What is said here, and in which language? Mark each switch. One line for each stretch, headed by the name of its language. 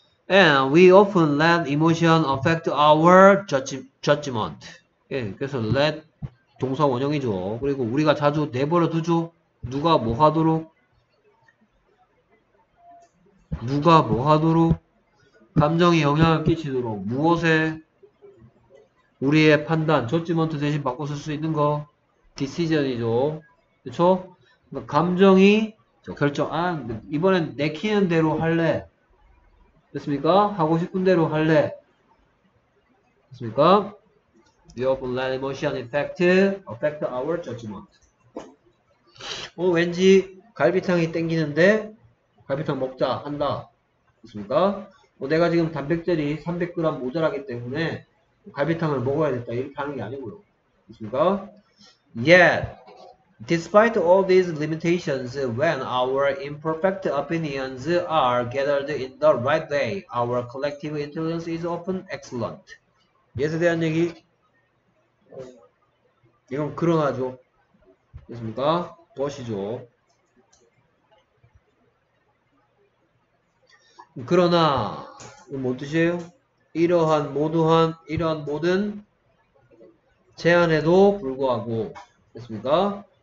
English: And we often let emotion affect our judgment.
Korean: 예, 그래서 let 동사 원형이죠. 그리고 우리가 자주 내버려 두죠. 누가 뭐 하도록? 누가 뭐 하도록? 감정이 영향을 끼치도록 무엇에 우리의 판단, judgment 대신 바꿔 쓸수 있는 거, decision이죠. 그렇죠? 감정이 결정. 아, 이번엔 내키는 대로 할래. 됐습니까? 하고 싶은 대로 할래. 됐습니까?
English: We often let emotion affect our judgment.
Korean: 왠지 갈비탕이 땡기는데 갈비탕 먹자 한다. 됐습니까? 내가 지금 단백질이 300g 모자라기 때문에 갈비탕을 먹어야 됐다. 이렇게 하는 게 아니고요. 됐습니까?
English: Yet, despite all these limitations, when our imperfect opinions are gathered in the right way, our collective intelligence is often excellent.
Korean: 예스에 대한 얘기. 이건 그러나죠. 됐습니까? 벗이죠. 그러나 뭔 뜻이에요? 이러한 모두한 이러한 모든 제한에도 불구하고 됐습니까?